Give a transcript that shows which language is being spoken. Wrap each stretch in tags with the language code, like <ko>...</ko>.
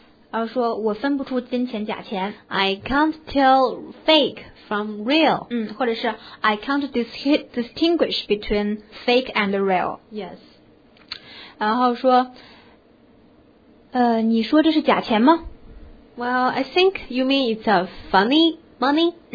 <zh>然后说我分不出真钱假钱。</zh> <en>I can't tell fake from real.</en> <zh>或者是</zh> <en>I can't distinguish between fake and real. Yes.</en> <zh>然后说你说这是假钱吗？</zh> <en>Well, I think you mean it's a funny money.</en>